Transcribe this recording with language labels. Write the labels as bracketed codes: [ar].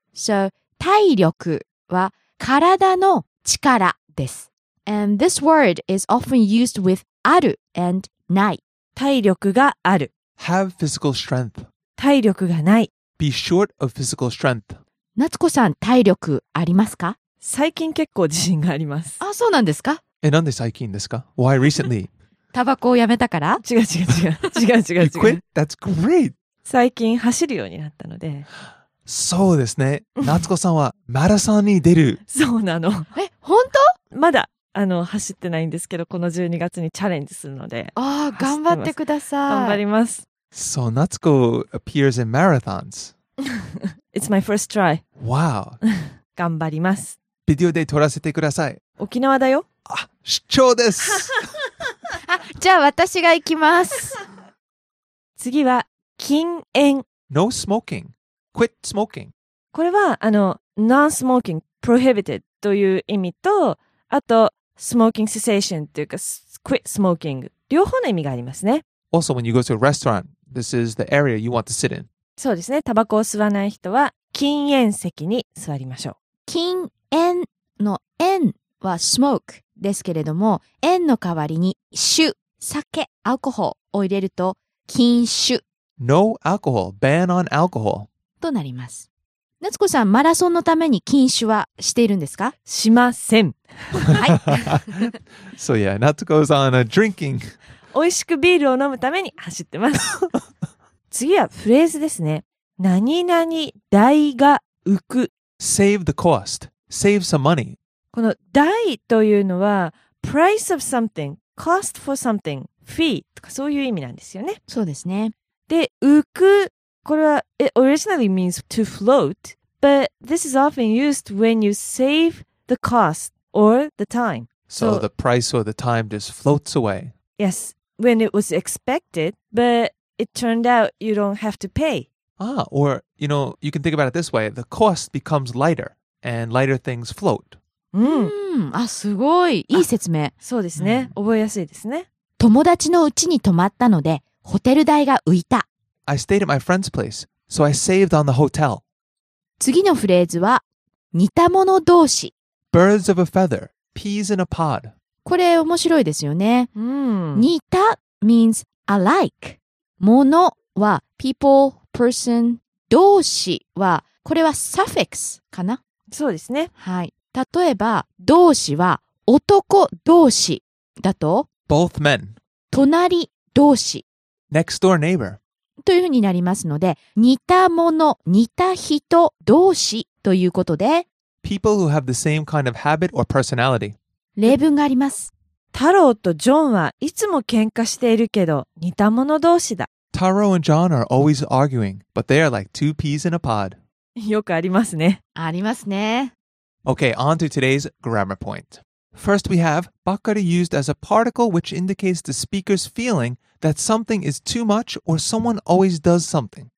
[ja] So 体力は体の力です。 [en] And this word is often used with あるand ない。 [ja] 体力がある。 [en] Have physical strength. [ja] 体力がない。 [en] Be short of physical strength. [ja] 夏子さん、体力ありますか？最近結構自信があります。あ、そうなんですか？なんで最近ですか？ [en] Why recently? [ja] タバコをやめたから？違う違う違う違う違う違う。 [en] You quit? That's great. [ja] 最近走るようになったので。そうですね。夏子さんはマラソンに出る。そうなの。え、本当？まだ。あの走ってないんですけど、この12月にチャレンジするので、ああ頑張ってください。頑張ります。 [en] So Natsuko appears in marathons. It's my first try. Wow. [ja] 頑張ります。ビデオで撮らせてください。沖縄だよ。あ、出張です。あ、じゃあ私が行きます。次は禁煙。 [en] No smoking. Quit smoking. [ja] これはあの [en] non-smoking prohibited [ja] という意味と、あと、 [en] smoking cessation [ja] というか、 [en] quit smoking [ja] 両方の意味がありますね。 [en] Also, when you go to a restaurant, this is the area you want to sit in. [ja] そうですね。タバコを吸わない人は禁煙席に座りましょう。禁煙の煙は smoke ですけれども、煙の代わりに酒、酒、アルコールを入れると禁酒。 [en] No alcohol, ban on alcohol. [ja] となります。夏子さん、マラソンのために禁酒はしているんですか？しません。はい。 [en] So yeah, Natsuko's on a drinking. [ja] 美味しくビールを飲むために走ってます。次はフレーズですね。何々代が浮く。 [en] Save the cost. Save some money. [ja] この代というのは、 [en] price of something, cost for something, [ja] fee とかそういう意味なんですよね。そうですね。で、浮く。これは [en] it originally means to float, but this is often used when you save the cost or the time. So the price or the time just floats away. Yes, when it was expected, but it turned out you don't have to pay. Ah, or you know, you can think about it this way: the cost becomes lighter, and lighter things float. [ja] あ、すごい。いい説明。そうですね。覚えやすいですね。友達の家に泊まったので、ホテル代が浮いた。 [en] I stayed at my friend's place, so I saved on the hotel. [ja] 次のフレーズは似た者同士。 [en] Birds of a feather, peas in a pod. [ja] これ面白いですよね。 [en] 似た means alike. [ja] 者は [en] people, person, [ja] 同士は、これは suffix かな？そうですね。はい。例えば、同士は男同士だと [en] both men. [ja] 隣同士。 [en] next door neighbor. [ja] というふうになりますので、似たもの、似た人同士ということで、 [en] People who have the same kind of habit or personality. [ja] 例文があります。タローとジョンはいつも喧嘩しているけど、似たもの同士だ。 [en] タロー and John are always arguing, but they are like two peas in a pod. [ja] よくありますね。ありますね。 [en] Okay, on to today's grammar point. First we have, バッカリ used as a particle which indicates the speaker's feeling,that something is too much or someone always does something.